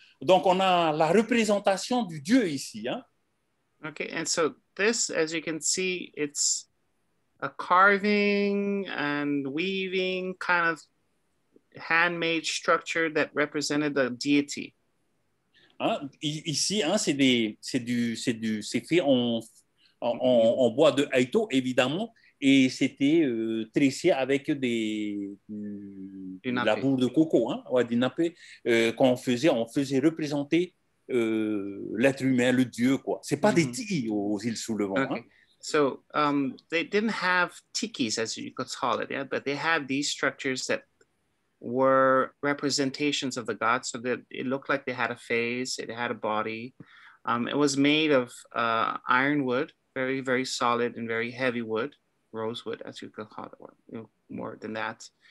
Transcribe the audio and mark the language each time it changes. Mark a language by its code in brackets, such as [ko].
[fr] Donc, on a la représentation du dieu ici. Hein? [en] Okay, and so this, as you can see, it's a carving and weaving kind of handmade structure that represented the deity. [fr] Hein? Ici, hein, c'est fait en bois de haïto, évidemment, et c'était tressé avec de la boule de coco, hein, ouais, du nappé, qu'on faisait représenter l'être humain, le dieu, quoi. C'est pas des tiki aux îles sous le vent. [en] Okay. Hein? So they didn't have tikis, as you could call it, yeah, but they had these structures that were representations of the gods, so that it looked like they had a face, it had a body. It was made of ironwood, very, very solid and very heavy wood, rosewood, as you could call it, or you know, more than that.